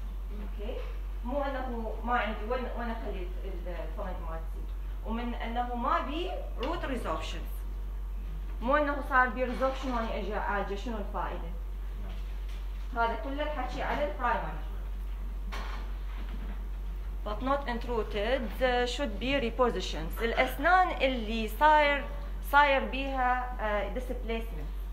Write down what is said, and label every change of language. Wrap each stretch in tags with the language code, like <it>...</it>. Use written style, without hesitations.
<ar>اوكي مو انه ما عندي وين اخلي الفوند مالتي ومن انه ما بي روت ريزوبشن مو انه صار بي ريزوبشن واني اجي اعالجه شنو الفائده؟ هذا كله الحكي على البرايمري.</ar> <en>but not intruded should be repositioned.</en> <ar>الأسنان اللي صاير بيها displacement.</ar>